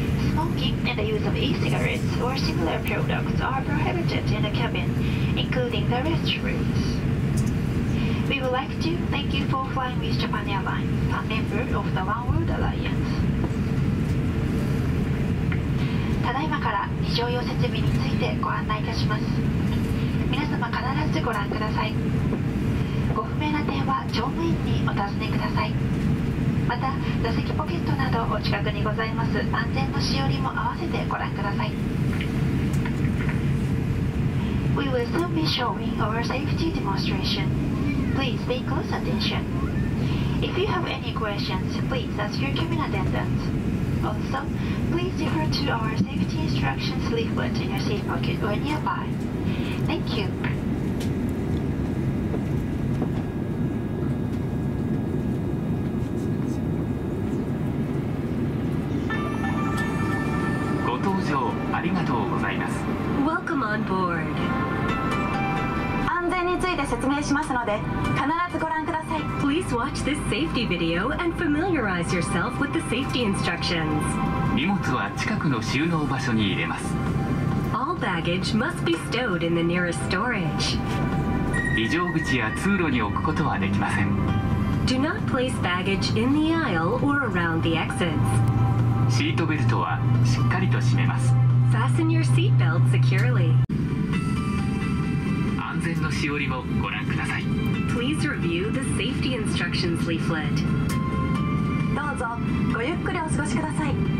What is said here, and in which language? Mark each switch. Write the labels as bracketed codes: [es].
[en] Smoking and the use of e-cigarettes or similar products are prohibited in the cabin, including the restrooms. We would like to thank you for flying with Japan Airlines, a member of the One World Alliance. [ja] ただいまから非常用設備についてご案内いたします。皆様必ずご覧ください。ご不明な点は乗務員にお尋ねください。また座席ポケットなどお近くにございます安全のしおりも合わせてご覧ください。 [en] We will soon be showing our safety demonstration. Please pay close attention. If you have any questions, please ask your cabin attendantAlso, please refer to our safety instructions leaflet in your seat pocket or nearby. Thank you. [ja] ご搭乗ありがとうございます。 [en] Welcome on board. [ja] 安全について説明しますので、必ずご覧ください。 [en] Please watch this safety video and familiarize yourself with the safety instructions. [ja] 荷物は近くの収納場所に入れます。 [en] All baggage must be stowed in the nearest storage. [ja] 非常口や通路に置くことはできません。 [en] Do not place baggage in the aisle or around the exits. [ja] シートベルトはしっかりと締めます。 [en] Fasten your seat belt securely. [ja] 安全のしおりをご覧ください。 [en] Please review the safety instructions leaflet. [ja] どうぞごゆっくりお過ごしください。